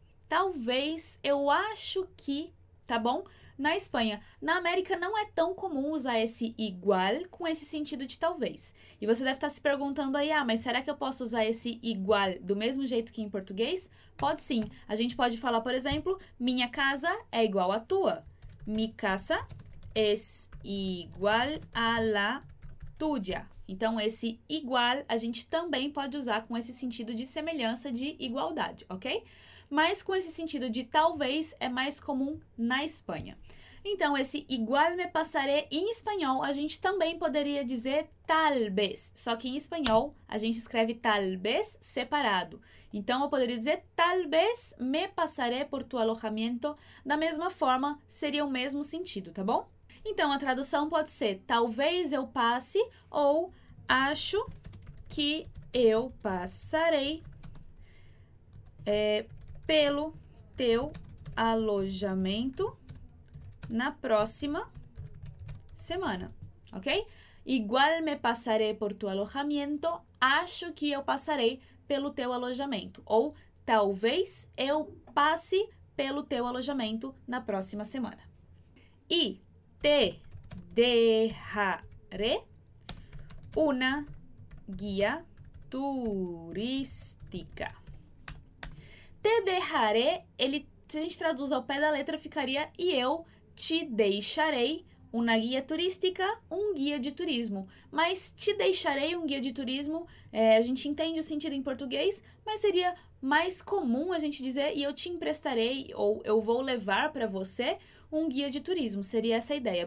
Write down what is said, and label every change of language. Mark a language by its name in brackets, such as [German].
[Portuguese] Talvez, eu acho que, tá bom? Na Espanha. Na América, não é tão comum usar esse igual com esse sentido de talvez. E você deve estar se perguntando aí, ah, mas será que eu posso usar esse igual do mesmo jeito que em português? Pode sim. A gente pode falar, por exemplo, minha casa é igual à tua. [Spanish] Mi casa es igual a la tuya. [Portuguese] Então, esse igual a gente também pode usar com esse sentido de semelhança, de igualdade, ok? Mas com esse sentido de talvez é mais comum na Espanha. Então, esse igual [Spanish] me pasaré [Portuguese] em espanhol, a gente também poderia dizer tal vez. Só que em espanhol, a gente escreve tal vez separado. Então, eu poderia dizer [Spanish] tal vez me pasaré por tu alojamiento. [Portuguese] Da mesma forma, seria o mesmo sentido, tá bom? Então, a tradução pode ser talvez eu passe ou acho que eu passarei. Pelo teu alojamento na próxima semana, ok? [Spanish] Igual me pasaré por tu alojamiento, [Portuguese] acho que eu passarei pelo teu alojamento. Ou talvez eu passe pelo teu alojamento na próxima semana. [Spanish] E te dejaré una guía turística. Te dejaré, [Portuguese] ele, se a gente traduz ao pé da letra, ficaria e eu te deixarei uma guia turística, um guia de turismo. Mas te deixarei um guia de turismo, a gente entende o sentido em português, mas seria mais comum a gente dizer e eu te emprestarei ou eu vou levar para você um guia de turismo. Seria essa a ideia.